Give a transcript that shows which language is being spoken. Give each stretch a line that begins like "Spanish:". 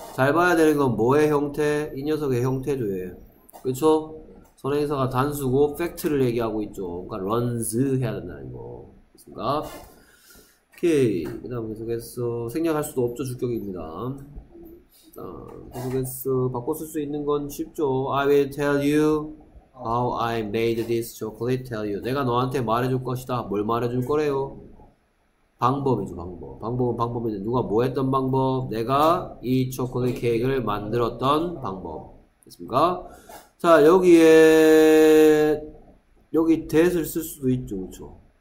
Korean: 잘 봐야 되는 건 뭐의 형태? 이 녀석의 형태죠. 그렇죠? 선행사가 단수고 팩트를 얘기하고 있죠. 그러니까 runs 해야 된다는 거. 됐습니까? 오케이. 그 다음 계속해서 생략할 수도 없죠. 주격입니다. 자, 계속해서 바꿔 쓸 수 있는 건 쉽죠.
English: I will tell you how I made this chocolate. Tell you.
Korean: 내가 너한테 말해줄 것이다. 뭘 말해줄 거래요? 방법이죠. 방법. 방법은 방법인데 누가 뭐 했던 방법? 내가 이 초콜릿 케이크를 만들었던 방법. 됐습니까? 자, 여기 that을 쓸 수도 있죠. 그쵸?